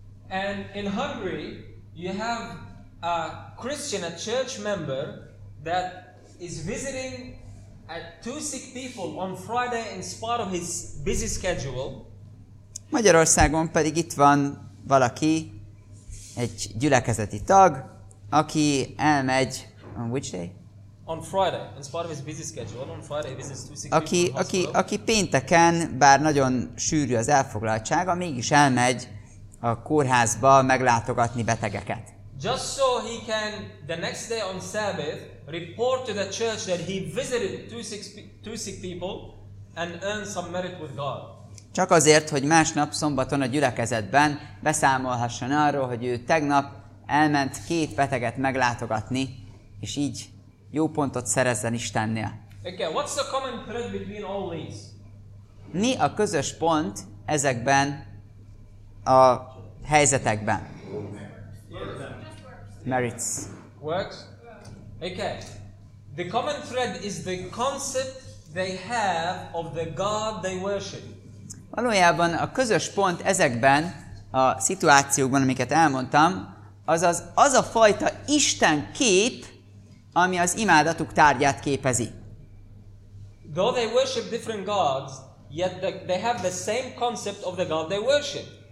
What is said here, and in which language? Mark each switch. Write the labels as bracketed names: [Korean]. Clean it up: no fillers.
[English] And in Hungary you have a Christian, a church member that is visiting at two sick people on Friday in spite of his busy schedule. [Hungarian] Magyarországon pedig itt van valaki, egy gyülekezeti tag, aki elmegy [English] on which day? On Friday, in spite of his busy schedule, on Friday visits two sick [Hungarian] aki pénteken, bár nagyon sűrű az elfoglaltsága, mégis elmegy a kórházba meglátogatni betegeket. [English] Just so he can the next day on Sabbath report to the church that he visited two sick people and earn some merit with God. [Hungarian] Csak azért, hogy másnap szombaton a gyülekezetben beszámolhasson arról, hogy ő tegnap elment két beteget meglátogatni, és így jó pontot szerezzen Istennél. [English] Okay, what's the common thread between all these? [Hungarian] Mi a közös pont ezekben a helyzetekben? [English] Merits. Works. Okay. The common thread is the concept they have of the God they worship. [Hungarian] Valójában a közös pont ezekben a szituációkban, amiket elmondtam, azaz az a fajta Isten kép, ami az imádatuk tárgyát képezi. [English] Though they worship different gods, yet they have the same concept of the God they worship.